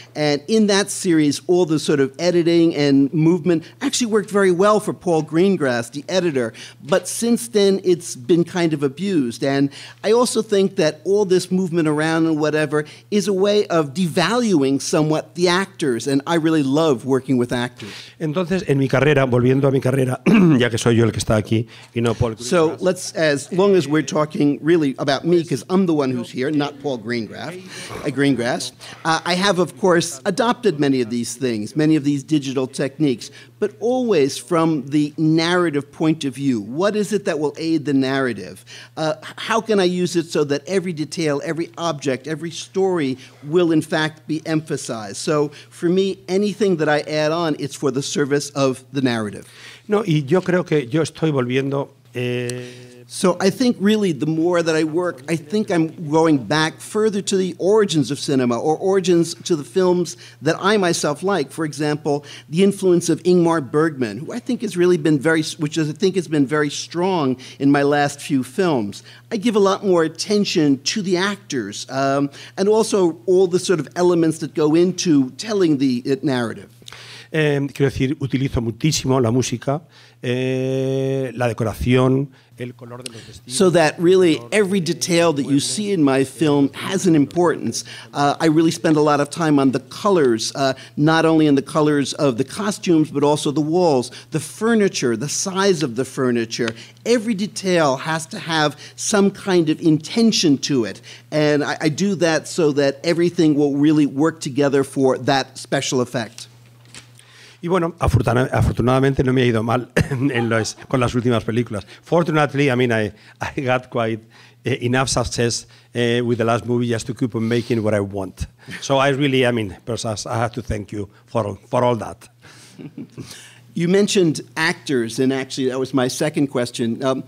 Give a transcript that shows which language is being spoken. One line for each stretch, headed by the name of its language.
English: And in that series, all the sort of editing and movement actually worked very well for Paul Greengrass, the editor. But since then, it's been kind of abused. And I also think that all this movement around and whatever is a way of devaluing somewhat the actors. And I really love working with actors.
Spanish: Entonces, en mi carrera, volviendo a mi carrera, ya que soy yo el que está aquí, y no Paul Greengrass.
English: So let's, as long as we're talking really about me, because I'm the one who's here, not Paul Greengrass, I have, of course, adopted many of these things, many of these digital techniques, but always from the narrative point of view. What is it that will aid the narrative? How can I use it so that every detail, every object, every story will, in fact, be emphasized? So for me, anything that I add on, it's for the service of the narrative.
Spanish: No, y yo creo que yo estoy volviendo.
English: So I think really the more that I work, I think I'm going back further to the origins of cinema or origins to the films that I myself like. For example, the influence of Ingmar Bergman, who I think has really been very, which I think has been very strong in my last few films. I give a lot more attention to the actors and also all the sort of elements that go into telling the narrative.
Spanish: Quiero decir, utilizo muchísimo la música, la decoración, el color de los vestidos.
English: So that really every detail that you see in my film has an importance. I really spend a lot of time on the colors, not only in the colors of the costumes, but also the walls, the furniture, the size of the furniture. Every detail has to have some kind of intention to it. And I do that so that everything will really work together for that special effect.
Spanish: Y bueno, afortunadamente no me ha ido mal con las últimas películas.
English: Fortunately, I mean, I got quite enough success with the last movie just to keep on making what I want. So I really, I mean, Persas, I have to thank you for all that. You mentioned actors, and actually that was my second question.